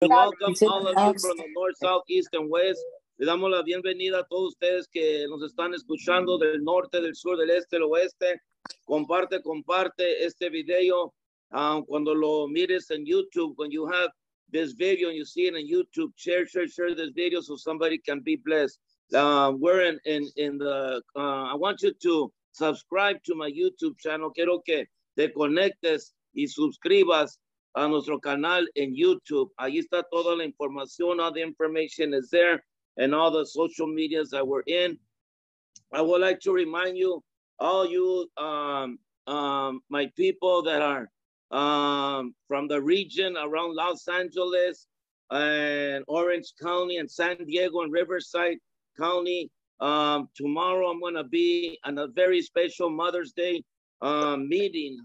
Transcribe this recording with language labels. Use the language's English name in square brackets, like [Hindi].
[English] Welcome all of you from the north, south, east, and west. [Spanish] Le damos la bienvenida a todos ustedes que nos están escuchando del norte, del sur, del este, del oeste. Comparte, comparte este video. Cuando lo mires en YouTube, [English] when you have this video and you see it in YouTube, share, share, share this video so somebody can be blessed. We're I want you to subscribe to my YouTube channel. [Spanish] Quiero que te conectes y suscribas a nuestro canal en YouTube. Ahí está toda la información. [English] All the information is there and all the social medias that we're in. I would like to remind you, all you, my people that are from the region around Los Angeles and Orange County and San Diego and Riverside County, tomorrow I'm going to be on a very special Mother's Day meeting.